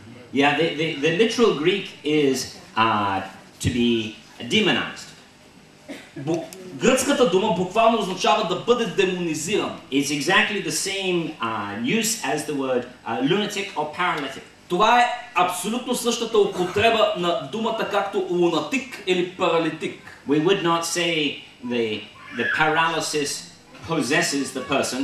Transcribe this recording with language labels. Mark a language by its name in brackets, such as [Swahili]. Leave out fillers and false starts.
[English] Yeah, the literal Greek is to be demonized. [Bulgarian] Гръцката дума буквално означава да бъде демонизиран. [English] It's exactly the same use as the word lunatic or paralytic. [Bulgarian] Това е абсолютно същата употреба на думата както лунатик или паралитик. [English] We would not say the paralysis possesses the person.